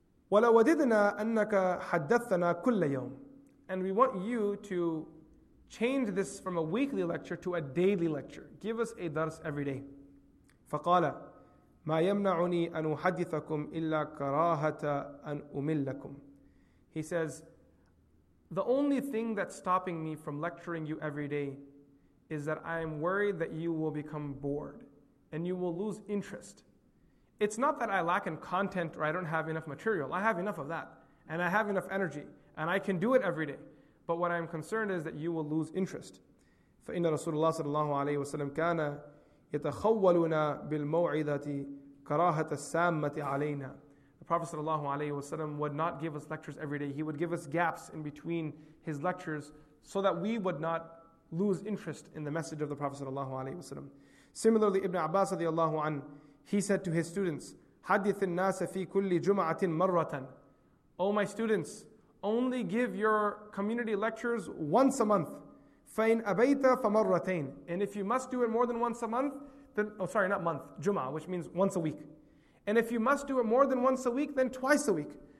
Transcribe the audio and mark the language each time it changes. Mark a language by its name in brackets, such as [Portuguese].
[Arabic] ولوددنا أنك حدثنا كل يوم. [English] And we want you to change this from a weekly lecture to a daily lecture. Give us a dars every day. [Arabic] فقال ما يمنعني أن أحدثكم إلا كراهة أن أملكم. [English] He says, the only thing that's stopping me from lecturing you every day is that I am worried that you will become bored and you will lose interest. It's not that I lack in content or I don't have enough material. I have enough of that. And I have enough energy. And I can do it every day. But what I'm concerned is that you will lose interest. [Arabic] فَإِنَّ رَسُولُ اللَّهِ صَلَى اللَّهُ عَلَيْهِ وَسَلَمْ كَانَ يَتَخَوَّلُنَا بِالْمَوْعِدَةِ كَرَاهَةَ السَّامَّةِ عَلَيْنَا. [English] The Prophet صلى الله عليه وسلم would not give us lectures every day. He would give us gaps in between his lectures so that we would not lose interest in the message of the Prophet صلى الله عليه وسلم. Similarly, Ibn Abbas رضي الله عنه, he said to his students, [Arabic] حَدِّثِ النَّاسَ فِي كُلِّ جُمَعَةٍ مَرَّةً. [English] Oh my students, only give your community lectures once a month. [Arabic] فَإِنْ أَبَيْتَ فَمَرَّتَيْنَ. [English] And if you must do it more than once a month, then, oh sorry, not month, Jum'ah, which means once a week. And if you must do it more than once a week, then twice a week.